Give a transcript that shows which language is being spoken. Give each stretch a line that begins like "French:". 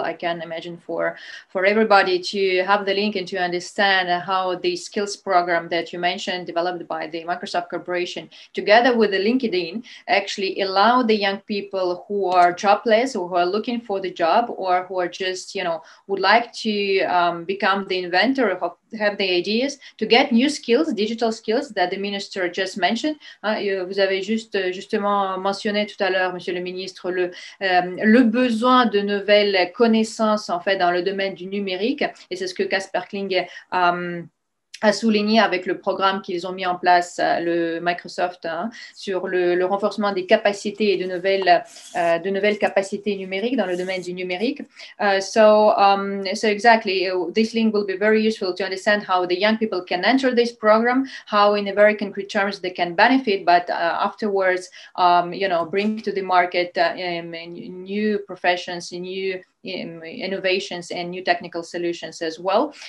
English: I can imagine for everybody to have the link and to understand how the skills program that you mentioned, developed by the Microsoft Corporation, together with the LinkedIn, actually allow the young people who are jobless or who are looking for the job or who are just, you know, would like to become the inventor of, have the ideas to get new skills, digital skills that the minister just mentioned.
French: Vous avez juste justement mentionné tout à l'heure, Monsieur le Ministre, le besoin de nouvelles connaissances en fait dans le domaine du numérique, et c'est ce que Kasper Klinge a souligné avec le programme qu'ils ont mis en place, le Microsoft, sur le renforcement des capacités et de nouvelles capacités numériques dans le domaine du numérique.
English: So exactly, this link will be very useful to understand how the young people can enter this program, how in a very concrete terms they can benefit, but afterwards, you know, bring to the market new professions, new innovations and new technical solutions as well.